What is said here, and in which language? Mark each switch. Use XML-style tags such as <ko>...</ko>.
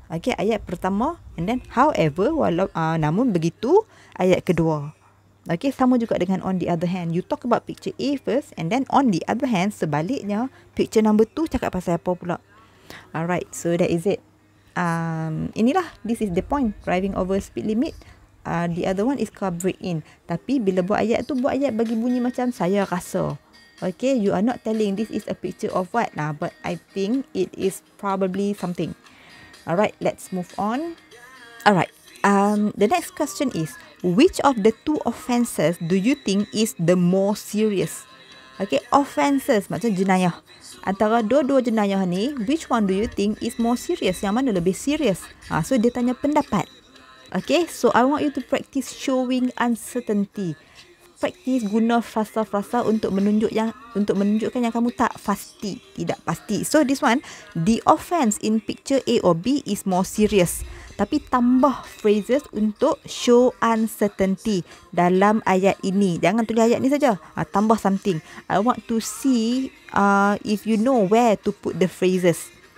<ms>Okay, ayat pertama,</ms> <en>and then however,</en> <ms>namun begitu, ayat kedua.</ms> <en>Okay,</en> <ms>sama juga dengan</ms> <en>on the other hand. You talk about picture A first, and then on the other hand, sebaliknya, picture number two</en> <ms>cakap pasal apa pula.</ms> <en>Alright, so that is it.</en> <ms>Inilah,</ms> <en>this is the point, driving over speed limit. The other one is car break in.</en> <ms>Tapi bila buat ayat tu, buat ayat bagi bunyi macam saya rasa.</ms> <en>Okay, you are not telling this is a picture of what. Nah, but I think it is probably something. Alright, let's move on. Alright, the next question is, which of the two offences do you think is the more serious? Okay, offences</en> <ms>macam jenayah. Antara dua-dua jenayah ni,</ms> <en>which one do you think is more serious?</en> <ms>Yang mana lebih serious? So dia tanya pendapat.</ms> <en>Okay, so I want you to practice showing uncertainty.</en> <ms>Practice guna frasa-frasa untuk menunjukkan yang kamu tidak pasti.</ms> <en>So this one, the offense in picture A or B is more serious.</en> <ms>Tapi tambah phrases untuk</ms> <en>show uncertainty</en> <ms>dalam ayat ini. Jangan tulis ayat ni saja. Tambah</ms> <en>something. I want to see if you know where to put the phrases.</en>